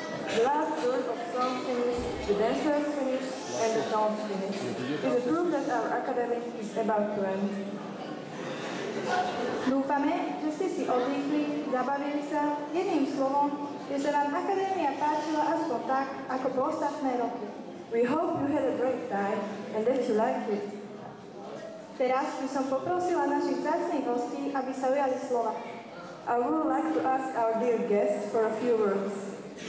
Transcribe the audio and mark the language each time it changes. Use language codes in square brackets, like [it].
[en] The last word of song finished, the dancers finished, and the tones finished. It's a proof that our academy is about to end. [sk] Dúfame, že ste si oddychli, zabavili sa, jedným slovom, že sa vám akadémia páčila aspoň tak, ako po ostatné roky. [en] We hope you had a great time and that you liked it. [sk] Teraz by som poprosila našich vzácnych hostí, aby sa ujali slova. [en] I would like to ask our dear guests for a few words.